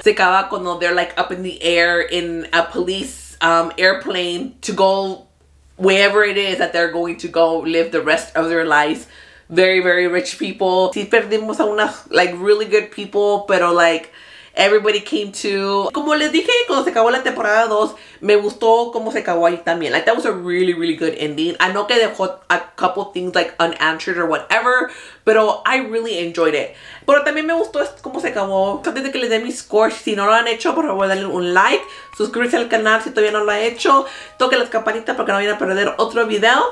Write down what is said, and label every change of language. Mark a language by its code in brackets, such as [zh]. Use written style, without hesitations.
[es] Se acaba cuando [en] they're like up in the air in a police airplane to go wherever it is that they're going to go live the rest of their lives. Very, very rich people. [es] Sí, perdimos a unas, [en] like, really good people, [es] pero, [en] like, everybody came to. [es] Como les dije, cuando se acabó la temporada 2, me gustó cómo se acabó ahí también. [en] Like, that was a really, really good ending. I know [es] que dejó a [en] couple things, like, unanswered or whatever, [es] pero [en] I really enjoyed it. [es] Pero también me gustó cómo se acabó. Antes de que les dé mi score, si no lo han hecho, por favor, denle un like. Suscríbanse al canal si todavía no lo ha hecho. Toquen las campanitas para que no vayan a perder otro video.